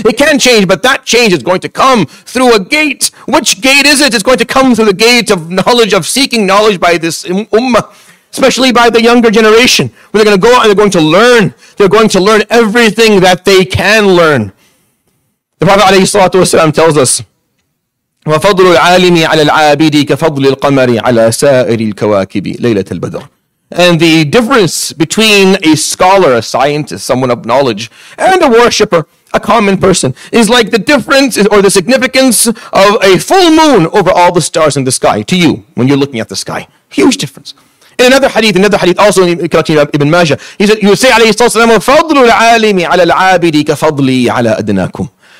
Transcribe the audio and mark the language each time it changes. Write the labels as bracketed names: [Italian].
[English] It can change, but that change is going to come through a gate. Which gate is it? It's going to come through the gate of knowledge, of seeking knowledge by this ummah. Especially by the younger generation, where they're going to go out and they're going to learn. They're going to learn everything that they can learn. [Arabic] The Prophet ﷺ tells us, وَفَضْلُ الْعَالِمِ عَلَى الْعَابِدِ كَفَضْلِ الْقَمَرِ عَلَى سَائِرِ الْكَوَاكِبِ لَيْلَةَ الْبَدْرِ. [English] And the difference between a scholar, a scientist, someone of knowledge, and a worshipper, a common person, is like the difference or the significance of a full moon over all the stars in the sky to you when you're looking at the sky. Huge difference. In another hadith, also in Collection of Ibn Majah, he said, you would say, alayhi sallam, [Arabic] فَضْلُ الْعَالِمِ عَلَى الْعَابِدِ كَفَضْلِي عَلَى أَدْنَاكُمْ.